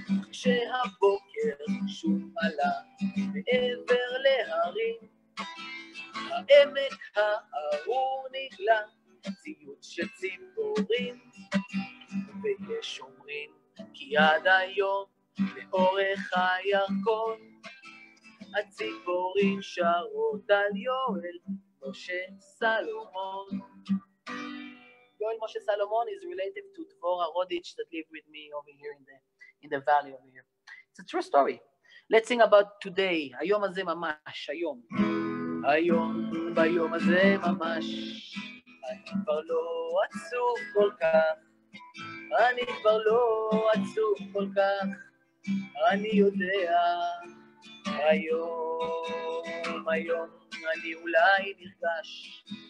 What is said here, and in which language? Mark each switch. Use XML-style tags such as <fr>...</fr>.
<he>כשהבוקר שוב עלה מעבר להרים העמק הארור נגלה ציוד של ציפורים ויש אומרים כי עד היום לאורך הירקון הציפורים שרות על יואל משה סלומון.</he> <en>יואל משה סלומון is related to Dvorah Roditch that lived with me over here in the valley over here. It's a true story. Let's sing about today.</en> <he>היום הזה ממש, היום. היום, ביום הזה ממש, אני כבר לא עצוב כל כך. אני כבר לא עצוב כל כך. אני יודע. היום, היום, אני אולי נרגש.</he>